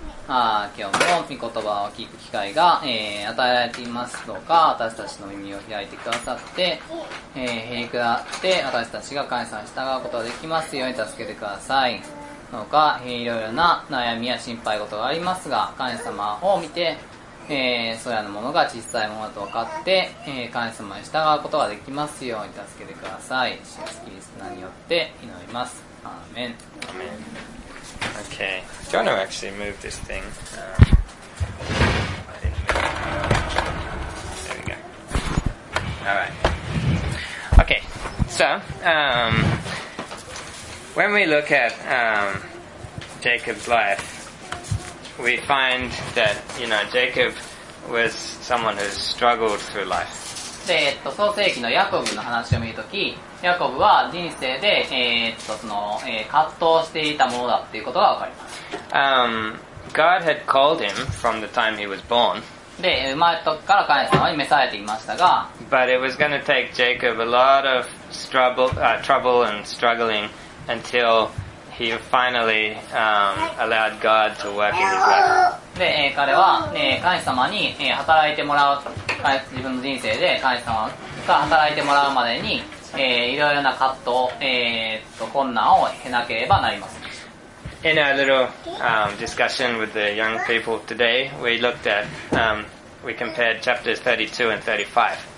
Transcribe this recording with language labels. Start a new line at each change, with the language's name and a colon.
Japanese: 今日も御言葉を聞く機会が、与えられていますとか、私たちの耳を開いてくださって、平気だって私たちが神様に従うことができますように助けてください。のか、いろいろな悩みや心配事がありますが、神様を見て、そういうものが小さいものだと分かって、神様に従うことができますように助けてください。イエス・キリストの名によって祈ります。アーメン。
English: Amen. Okay, do you want to actually move this thing? I didn't move it. There we go. Alright. Okay, so when we look at Jacob's life, we find that, you know, Jacob was someone who struggled through life.
Japanese: で、創世記のヤコブの話を見るとき、ヤコブは人生で、葛藤していたものだっていうことがわかります。
English: God had called him from the time he was born.
Japanese: で、生まれた時から神様に召されていましたが、
English: But it was going to take Jacob a lot of trouble and struggling. Until he finally allowed God to work in his life.
Japanese: で、彼は、神様に、働いてもらう、自分の人生で神様が働いてもらうまでに、いろいろな葛藤、困難を経なければなりません
English: 。 In our little discussion with the young people today, we looked at, we compared chapters 32 and 35.